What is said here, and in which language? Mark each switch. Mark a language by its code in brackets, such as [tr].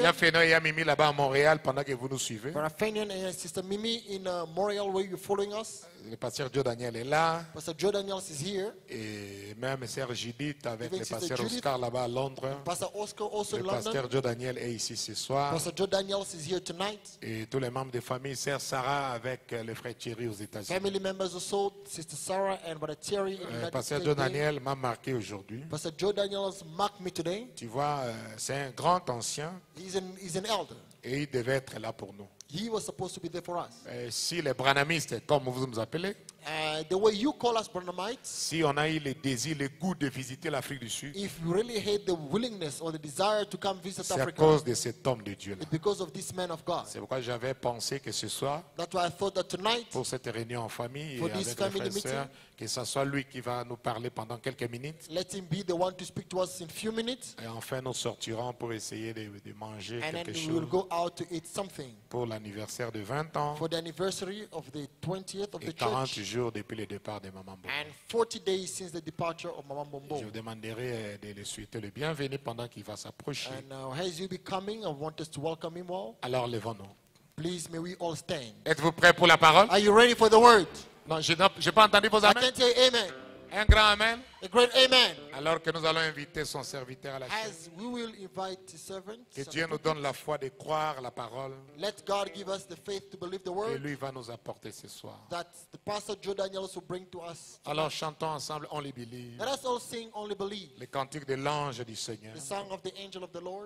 [fr] Il y a Fenian et Mimi là-bas à Montréal pendant que vous nous suivez. [en] Brother Fenian and Sister Mimi in Montreal where you're following us. [fr] Le pasteur Joe Daniel est là. [en] Pastor Joe Daniel is here. [fr] Et même Sœur Judith avec le pasteur Oscar là-bas à Londres. [en] Pastor Oscar also [fr] le pasteur Joe Daniel est ici ce soir. [en] Pastor Joe Daniel is here tonight. [fr] Et tous les membres de famille, Sœur Sarah avec le frère Thierry aux États-Unis. [en] Family members also, Sister Sarah and Brother Thierry. [fr] Pasteur Joe Daniel m'a marqué aujourd'hui. [en] Pastor Joe Daniel has marked me today. [fr] Tu vois, c'est un grand ancien. [en] He's an elder. [fr] Et il devait être là pour nous. [en] He was supposed to be there for us. [fr] Si les branhamistes, comme vous nous appelez, [en] the way you call us branhamites, [fr] si on a eu le désir, le goût de visiter l'Afrique du Sud, [en] if you really had the willingness or the desire to come visit Africa, [fr] c'est à cause de cet homme de Dieu-là. [en] It's because of this man of God. [fr] C'est pourquoi j'avais pensé que ce soir, [en] that's why I thought that tonight, [fr] pour cette réunion en famille et avec les frères et sœurs, que ce soit lui qui va nous parler pendant quelques minutes. [en] Let him be the one to speak to us in a few minutes. [fr] Et enfin, nous sortirons pour essayer de manger [en] and [fr] quelque chose. [en] And we'll go out to eat something. [fr] Pour l'anniversaire de 20 ans. [en] For the anniversary of the 20th of the church. [fr] Et 40 jours depuis le départ de Maman Bombo. [en] And 40 days since the departure of Maman Bombo. [fr] Je vous demanderai de le souhaiter le bienvenu pendant qu'il va s'approcher. [en] And now, as you be coming, I want us to welcome him all. [fr] Alors, levons-nous. [en] Please, may we all stand. [fr] Êtes-vous prêts pour la parole? [en] Are you ready for the word? [fr] Non, je n'ai pas entendu vos amens. [en] I can't say amen. [fr] Un grand amen. [en] A great amen. [fr] Alors que nous allons inviter son serviteur à la chaîne. [en] As we will invite the servant. [fr] Que Dieu nous donne la foi de croire la parole. [en] Let God give us the faith to believe the word. [fr] Et lui va nous apporter ce soir. [en] That the pastor Joe Daniels will bring to us. [fr] Alors chantons ensemble Only Believe. [en] Let us all sing Only Believe. [fr] Le cantique de l'ange du Seigneur. [en] The song of the angel of the Lord.